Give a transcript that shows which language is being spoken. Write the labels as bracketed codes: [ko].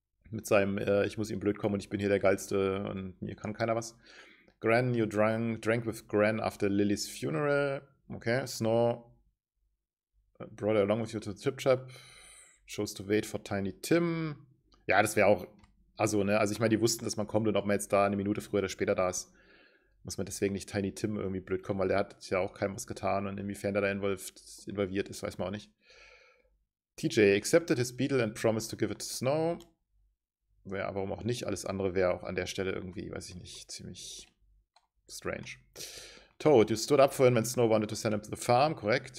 [de] Mit seinem, ich muss ihm blöd kommen und ich bin hier der Geilste und mir kann keiner was. [en] Gran, you drank with Gran after Lily's funeral. Okay, Snow brought her along with you to the trip trap. Chose to wait for Tiny Tim. [de] Ja, das wäre auch, also, ne, also ich meine, die wussten, dass man kommt und ob man jetzt da eine Minute früher oder später da ist, muss man deswegen nicht Tiny Tim irgendwie blöd kommen, weil der hat ja auch keinem was getan und inwiefern er da involviert ist, weiß man auch nicht. [en] TJ accepted his beetle and promised to give it to Snow. [de] Ja, warum auch nicht? Alles andere wäre auch an der Stelle irgendwie, weiß ich nicht, ziemlich strange. [en] Toad, you stood up for him when Snow wanted to send him to the farm, korrekt.